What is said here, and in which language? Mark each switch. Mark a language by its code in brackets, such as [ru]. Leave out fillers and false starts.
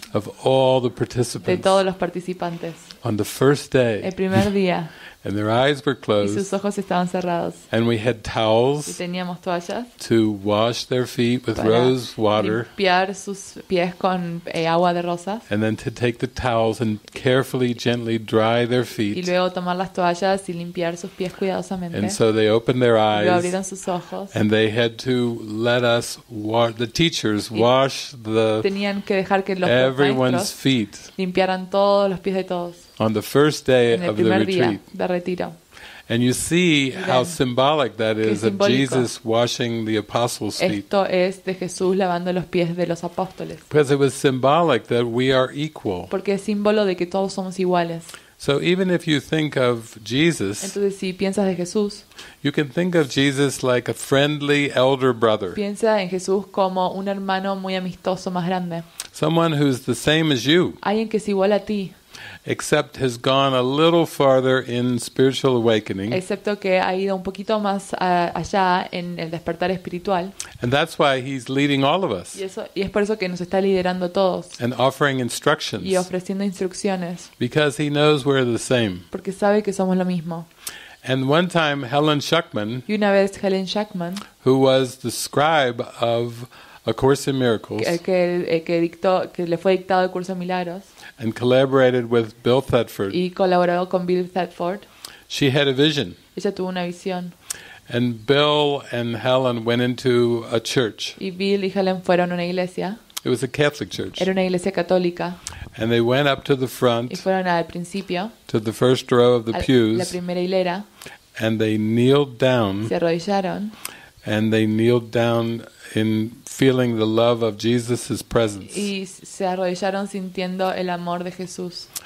[en] Of all the participants. [es] De todos los participantes. [en] On the first day. [es] El primer día. [en] And their eyes were closed. [es] Y sus ojos estaban cerrados. [en] And we had towels. [es] Y teníamos toallas. [en] To wash their feet with rose water. [es] Para limpiar sus pies con agua de rosas. [en] And then to take the towels and carefully, gently dry their feet. [es] Y luego tomar las toallas y limpiar sus pies cuidadosamente. [en] And so they opened their eyes. [es] Y luego abrieron sus ojos. [en] And they had to let us the teachers wash the. [es] Tenían que dejar que los [en] everyone's feet. [es] Limpiaran todos los pies de todos. [en] On the first day of the retreat. [es] En el primer día de retiro. [en] And you see how symbolic that is of Jesus washing the apostles' feet. [es] Esto es de Jesús lavando los pies de los apóstoles. [en] Because it was symbolic that we are equal. [es] Porque es símbolo de que todos somos iguales. [en] So even if you think of Jesus, [es] entonces si piensas de Jesús, [en] you can think of Jesus like a friendly elder brother. [es] Piensa en Jesús como un hermano muy amistoso más grande. [en] Someone who's the same as you. [es] Alguien que es igual a ti. [en] except has gone a little farther in spiritual awakening. [es] Excepto que ha ido un poquito más allá en el despertar espiritual. [en] And that's why he's leading all of us. [es] Y es por eso que nos está liderando a todos. [en] And offering instructions. [es] Y ofreciendo instrucciones. [en] Because he knows we're the same. [es] Porque sabe que somos lo mismo. [en] And one time Helen Schuckman, [es] y una vez Helen Schuckman, [en] who was the scribe of A Course in Miracles, [es] que le fue dictado el curso de milagros, [en] and collaborated with Bill Thetford. [es] Y colaboró con Bill Thetford. [en] She had a vision. [es] Ella tuvo una visión. [en] And Bill and Helen went into a church. [es] Y Bill y Helen fueron a una iglesia. [en] It was a Catholic church. [es] Era una iglesia católica. [en] And they went up to the front. [es] Y fueron al principio. [en] To the first row of the pews. [es] La primera hilera. [en] And they kneeled down. [es] Se arrodillaron. [en] And they kneeled down in feeling the love of Jesus's presence. [es] Y se arrodillaron sintiendo el amor de Jesús.